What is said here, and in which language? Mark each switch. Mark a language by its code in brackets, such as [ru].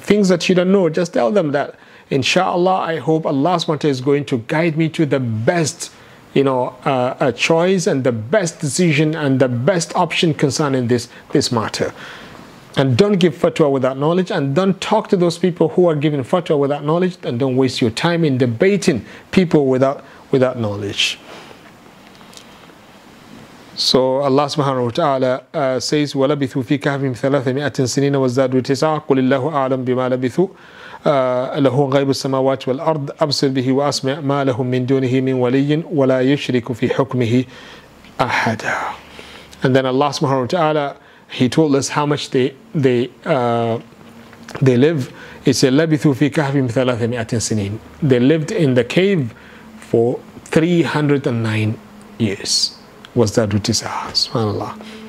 [en] Things that you don't know, just tell them that, inshallah, I hope Allah subhanahu wa ta'ala is going to guide me to the best, you know, a choice and the best decision and the best option concerning this matter. And don't give fatwa without knowledge, and don't talk to those people who are giving fatwa without knowledge, and don't waste your time in debating people without knowledge. So Allah subhanahu wa ta'ala says, [ar] وَلَبِثُوا فِي كَهْفِهِمْ [en] 300 years [ar] وَزَّادُوا 9 قُلِ اللَّهُ أَعْلَمْ بِمَا لَبِثُوا له غيب السماوات والأرض أبصر به وأسمع ما لهم من دونه من ولي ولا يشرك في حكمه أحدا. [en] And then Allah subhanahu wa ta'ala, He told us how much they live. He said, [ar] لَبِثُوا فِي كَهْفِهِمْ [en] 300 years. They lived in the cave for 309 years. Was that Rutisa? Subhanallah.